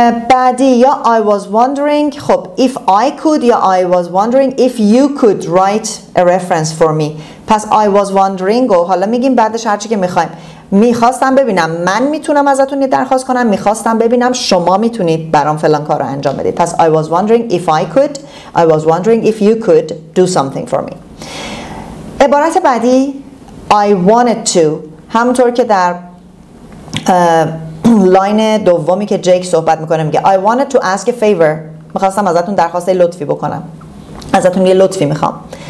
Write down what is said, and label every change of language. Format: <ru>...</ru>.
<fa>بعدی یا</fa> <en>I was wondering، خب if I could، یا I was wondering if you could write a reference for me.</en> <fa>پس</fa> <en>I was wondering</en> <fa>و حالا میگیم بعدش هرچی که میخوایم. میخواستم ببینم من میتونم ازتون یه درخواست کنم، میخواستم ببینم شما میتونید برام فلان کار رو انجام بدید.</fa> <en>پس I was wondering if I could، I was wondering if you could do something for me.</en> <fa>عبارت بعدی</fa> <en>I wanted to،</en> <fa>همونطور که در لاین دومی که جیک صحبت میکنه میگه</fa> <en>I wanted to ask a favor،</en> <fa>میخواستم ازتون درخواست لطفی بکنم، ازتون یه لطفی میخوام.</fa>